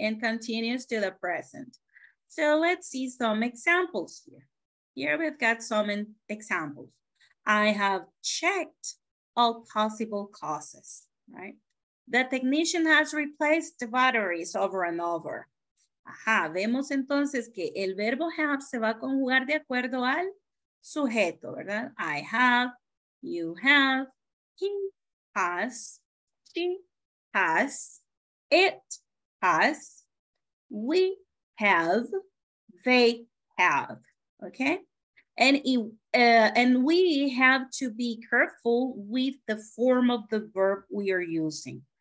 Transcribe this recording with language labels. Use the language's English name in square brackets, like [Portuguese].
[English] And continues to the present. So let's see some examples here. Here we've got some examples. I have checked all possible causes, right? The technician has replaced the batteries over and over. [Spanish] Ajá, vemos entonces que el verbo have se va a conjugar de acuerdo al sujeto, ¿verdad? [English] I have, you have, he has, she has, it has, we have, they have, okay? And we have to be careful with the form of the verb we are using.